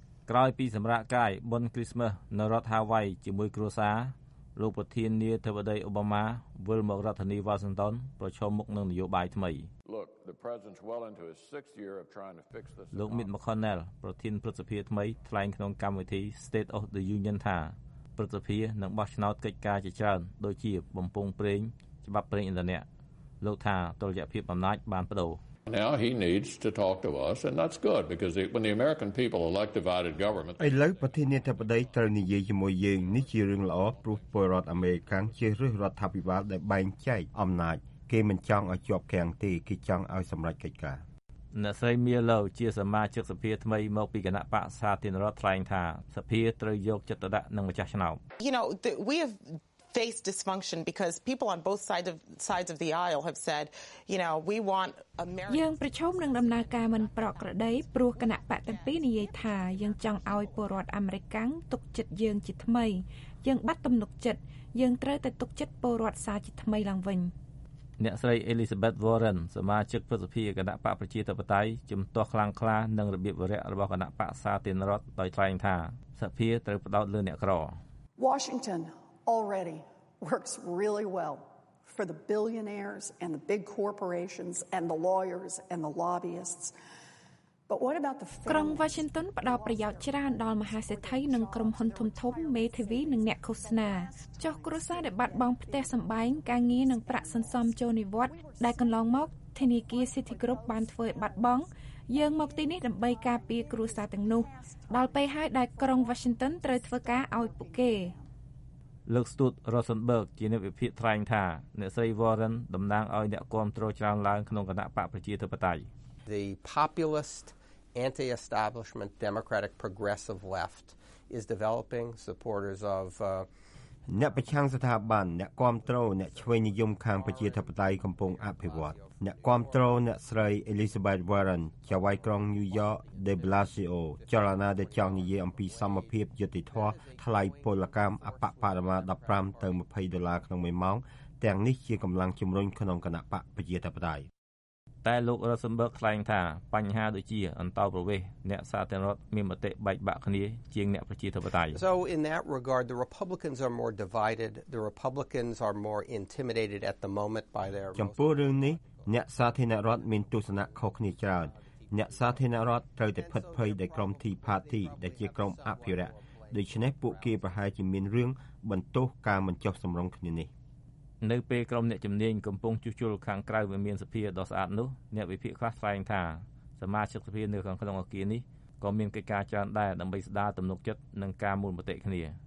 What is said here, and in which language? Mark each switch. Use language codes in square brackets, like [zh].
[km] ក្រោយពីសម្រាកកាយបុណ្យគ្រីស្មាស់នៅរដ្ឋហាវ៉ៃជាមួយគ្រួសារលោកប្រធានាធិបតីអូបាម៉ាវិលមករដ្ឋធានីវ៉ាស៊ីនតោនប្រជុំមុខនឹងនយោបាយថ្មីលោកមីតមខនែលប្រធានព្រឹទ្ធសភាថ្មីថ្លែងក្នុងកម្មវិធី State of the Union ថាព្រឹទ្ធសភានឹងបោះឆ្នោតកិច្ចការជាច្រើនដូចជាបំពង់ប្រេងច្បាប់ប្រេងឥន្ធនៈលោកថាតុល្យភាពអំណាចបានបដូរ [en] Now he needs to talk to us and that's good because when the American people elect divided government [km] ឥឡូវប្រធានាធិបតីត្រូវនិយាយជាមួយយើងនេះជារឿងល្អព្រោះពលរដ្ឋអាមេរិកជឿរឹសរដ្ឋាភិបាលដែលបែងចែកអំណាចគេមិនចង់ឲ្យជាប់គាំងទេគេចង់ឲ្យសម្រេចកិច្ចការ អ្នកស្រីមីឡូជាសមាជិកសភាថ្មីមកពីគណៈបកសាធារណរដ្ឋថ្លែងថាសភាត្រូវយកចិត្តទុកដាក់នឹងម្ចាស់ឆ្នោត [en] You know we have faced dysfunction because people on both sides of the aisle have said you know we want America [km] យើងប្រជុំនឹងដំណើរការមិនប្រក្រតីព្រោះគណៈបកទាំងពីរនិយាយថាយើងចង់ឲ្យពលរដ្ឋអាមេរិកទុកចិត្តយើងជាថ្មីយើងបាត់ទំនុកចិត្តយើងត្រូវតែទុកចិត្តពលរដ្ឋសាជាថ្មីឡើងវិញ អ្នកស្រី Elizabeth Warren សមាជិកព្រឹទ្ធសភាគណៈបកប្រជាធិបតេយ្យជំទាស់ខ្លាំងក្លានឹងរបៀបវារៈរបស់គណៈបកសាធារណរដ្ឋដោយថ្លែងថាសភាត្រូវផ្ដោតលើអ្នកក្រ [en] Washington already works really well for the billionaires and the big corporations and the lawyers and the lobbyists but what about the [km] ក្រុង Washington ផ្ដោតប្រយោជន៍ច្រើនដល់មហាសេដ្ឋីនិងក្រុមហ៊ុនធំធំមេធាវីនិងអ្នកឃោសនាចុះគ្រួសារដែលបាត់បង់ផ្ទះសម្បែងការងារនិងប្រាក់សន្សំចូលនិវត្តន៍ដែលកន្លងមកធនាគារ City Group បានធ្វើឲ្យបាត់បង់យើងមកទីនេះដើម្បីការពារគ្រួសារទាំងនោះដល់ពេលហើយដែលក្រុង Washington ត្រូវធ្វើការឲ្យពួកគេ លោកស្ទូត Rosenberg ជាអ្នកវិភាគថ្លែងថាអ្នកស្រី Warren តំណាងឲ្យអ្នកគាំទ្រច្រើនឡើងក្នុងគណៈបកប្រជាធិបតេយ្យ [en] The populist anti-establishment democratic progressive left is developing supporters of [km] អ្នកប្រឆាំងស្ថាប័នអ្នកគាំទ្រអ្នកឆ្វេងនិយមខាងប្រជាធិបតេយ្យកំពុងអភិវឌ្ឍអ្នកគាំទ្រអ្នកស្រី Elizabeth Warren ជាវ៉ៃក្រុងញូវយ៉កដេប្លាស៊ីអូចលនាដែលចង់និយាយអំពីសមភាពយុត្តិធម៌ថ្លៃពលកម្មអបបរមា15ទៅ20ដុល្លារក្នុងមួយម៉ោងទាំងនេះជាកម្លាំងជំរុញក្នុងគណៈបកប្រជាធិបតេយ្យ តែលោករ៉ូសិនបឺកថ្លែងថាបញ្ហាដូចជាអន្តរប្រវេសអ្នកសាធារណរដ្ឋមានមតិបែកបាក់គ្នាជាងអ្នកប្រជាធិបតេយ្យ [en] So in that regard the Republicans are more divided the Republicans are more intimidated at the moment by their [km] ចំពោះរឿងនេះអ្នកសាធារណរដ្ឋមានទស្សនៈខុសគ្នាច្រើនអ្នកសាធារណរដ្ឋត្រូវតែភិតភ័យដោយក្រុម Tea Party ដែលជាក្រុមអភិរក្សដូច្នេះពួកគេប្រហែលជាមានរឿងបន្ទោសការមិនចុះសម្រុងគ្នានេះ នៅពេលក្រុមអ្នកជំនាញកំពុងជួសជុលខាងក្រៅវិមានសភាដ៏ស្អាតនោះអ្នកវិភាគខ្លះថ្លែងថាសមាជិកសភានៅខាងក្នុងអគារនេះក៏មានកិច្ចការច្រើនដែរដើម្បីស្ដារទំនុកចិត្តនិងការមូលមតិគ្នា